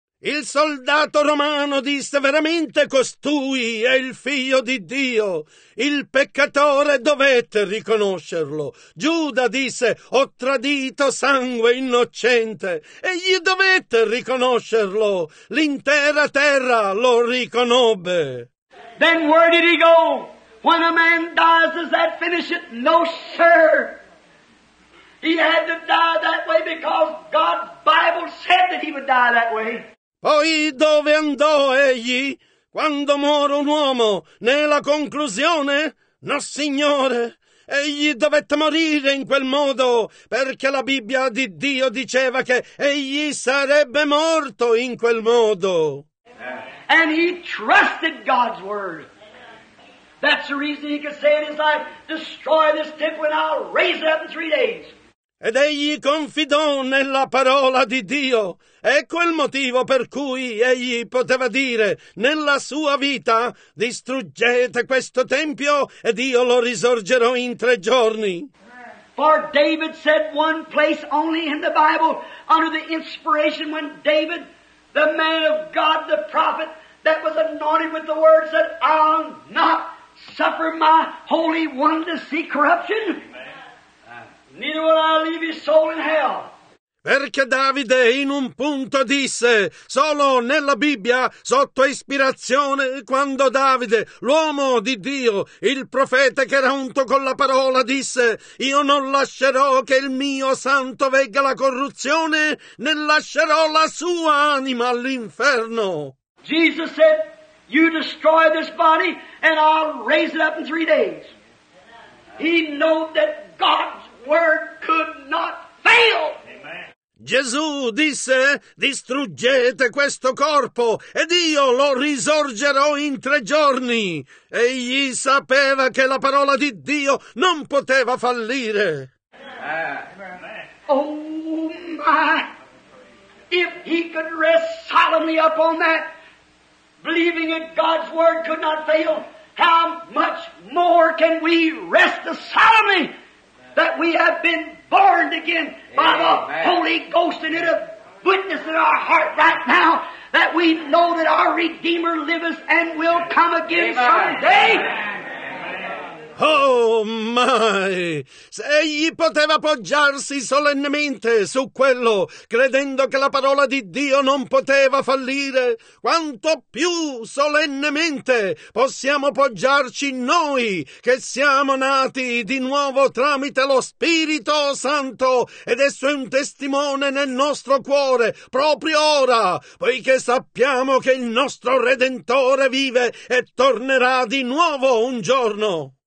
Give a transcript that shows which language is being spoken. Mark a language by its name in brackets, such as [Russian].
[Italian] Il soldato romano disse veramente costui è il figlio di Dio. Il peccatore dovette riconoscerlo. Giuda disse ho tradito sangue innocente. Egli dovette riconoscerlo. L'intera terra lo riconobbe. [English] Then where did he go? When a man dies, does that finish it? No, sir. He had to die that way because God's Bible said that he would die that way. [Italian] Poi dove andò egli? Quando muore un uomo, nella conclusione? No, signore. Egli dovette morire in quel modo perché la Bibbia di Dio diceva che egli sarebbe morto in quel modo. [English] And he trusted God's word. That's the reason he could say in his life, destroy this temple and I'll raise it up in 3 days. [Italian] Ed egli confidò nella parola di Dio. Ecco il motivo per cui egli poteva dire nella sua vita distruggete questo tempio ed io lo risorgerò in 3 giorni. [English] For David said one place only in the Bible under the inspiration when David, the man of God, the prophet that was anointed with the word said, I'll not suffer my holy one to see corruption. Neither will I leave his soul in hell. [Italian] Perché Davide in un punto disse, solo nella Bibbia, sotto ispirazione, quando Davide, l'uomo di Dio, il profeta che era unto con la parola, disse, io non lascerò che il mio santo vegga la corruzione, né lascerò la sua anima all'inferno. [English] Jesus said, You destroy this body, and I'll raise it up in 3 days. He knew that God's word could not fail. [Italian] Gesù disse, distruggete questo corpo ed io lo risorgerò in 3 giorni. Egli sapeva che la parola di Dio non poteva fallire. [English] Oh my! If he could rest solemnly upon that, believing that God's word could not fail, how much more can we rest solemnly that we have been born again by the Holy Ghost, and it a witness in our heart right now that we know that our Redeemer liveth and will come again someday. Oh, my! [Italian] Se egli poteva appoggiarsi solennemente su quello, credendo che la parola di Dio non poteva fallire, quanto più solennemente possiamo appoggiarci noi che siamo nati di nuovo tramite lo Spirito Santo, ed esso è un testimone nel nostro cuore, proprio ora, poiché sappiamo che il nostro Redentore vive e tornerà di nuovo un giorno.